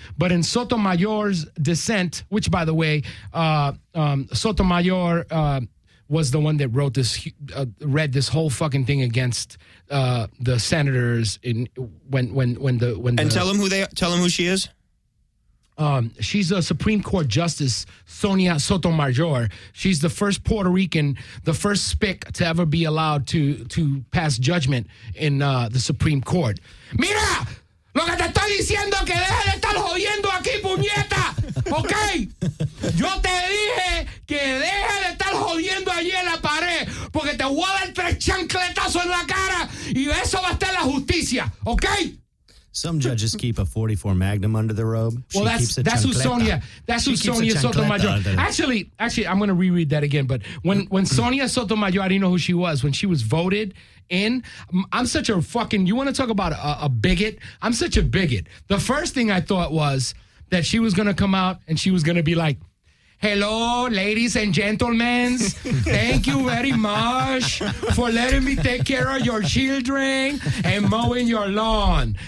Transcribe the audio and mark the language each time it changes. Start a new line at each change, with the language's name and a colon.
English: But in Sotomayor's dissent, which, by the way, Sotomayor was the one that wrote this, read this whole fucking thing against the senators in when and tell them who she is. She's a Supreme Court Justice, Sonia Sotomayor. She's the first Puerto Rican, the first SPIC to ever be allowed to pass judgment in the Supreme Court.
Spanish: Mira, lo que te estoy diciendo que deje de estar jodiendo aquí, puñeta. Ok. Yo te dije que deje de estar jodiendo allí en la pared, porque te voy a dar 3 chancletazos en la cara y eso va a estar la justicia.
English: Ok. Some judges keep a .44 Magnum under the robe. Well, she that's who Sonia. That's she who Sonia Sotomayor. Actually, I'm going to reread that again. But when Sonia Sotomayor, I didn't know who she was when she was voted in. I'm such a fucking. You want to talk about a bigot? I'm such a bigot. The first thing I thought was that she was going to come out and she was going to be like, hello, ladies and gentlemen, thank you very much for letting me take care of your children and mowing your lawn.